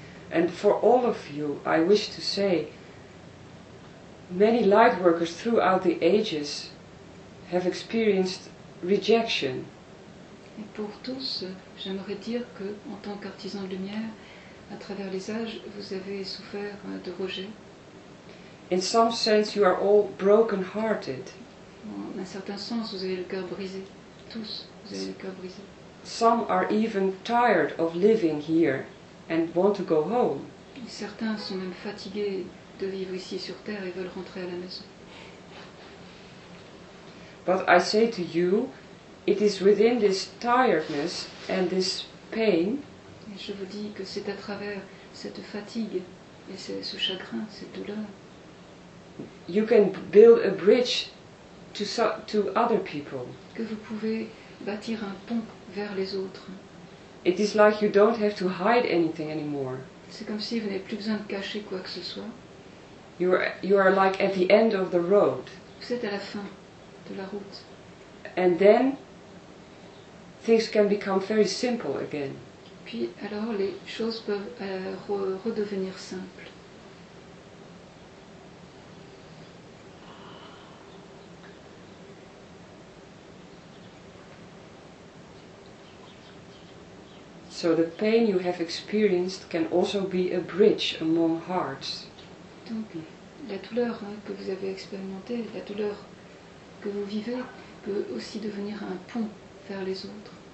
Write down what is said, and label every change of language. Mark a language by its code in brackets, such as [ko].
[en] And for all of you, I wish to say, many light workers throughout the ages have experienced rejection. [fr] Et pour tous, j'aimerais dire que, en tant qu'artisan de lumière, à travers les âges, vous avez souffert de rejet. [en] In some sense, you are all broken-hearted. [fr] En un certain sens, vous avez le cœur brisé. Tous, vous avez le cœur brisé. [en] Some are even tired of living here and want to go home. [fr] Certains sont même fatigués de vivre ici sur Terre et veulent rentrer à la maison. [en] But I say to you, it is within this tiredness and this pain. [fr] Et je vous dis que c'est à travers cette fatigue et ce chagrin, cette douleur. [en] You can build a bridge to other people. [fr] Que vous pouvez bâtir un pont vers les autres. [en] It is like you don't have to hide anything anymore. [fr] C'est comme si vous n'avez plus besoin de cacher quoi que ce soit. [en] You are like at the end of the road. [fr] Vous êtes à la fin de la route. [en] And then things can become very simple again. [fr] Puis alors les choses peuvent redevenir simples. [en] So the pain you have experienced can also be a bridge among hearts. [fr] Donc la douleur hein, que vous avez expérimentée, la douleur que vous vivez, peut aussi devenir un pont vers les autres.